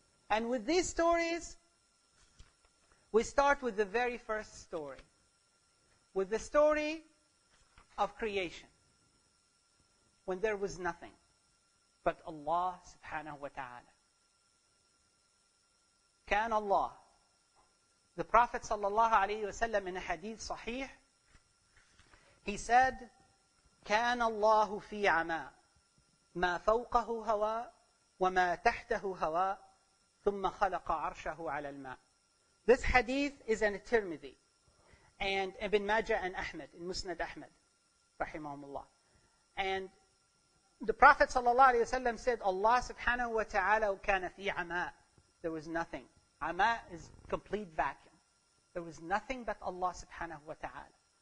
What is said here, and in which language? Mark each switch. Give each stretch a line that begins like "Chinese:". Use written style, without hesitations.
English: And with these stories, we start with the very first story, with the story of creation. When there was nothing but Allah subhanahu wa ta'ala. Can Allah, the Prophet sallallahu alayhi wa sallam in a hadith sahih, he said,
Arabic: كان الله في عماء ما فوقه هواء وما تحته هواء ثم خلق عرشه على الماء.
English: This hadith is in Tirmidhi and Ibn Majah and Ahmed, in Musnad Ahmed, rahimahumullah. And the Prophet ﷺ said, Allah subhanahu wa ta'ala kana fi ama. There was nothing. Ama is complete vacuum. There was nothing but Allah subhanahu wa ta'ala.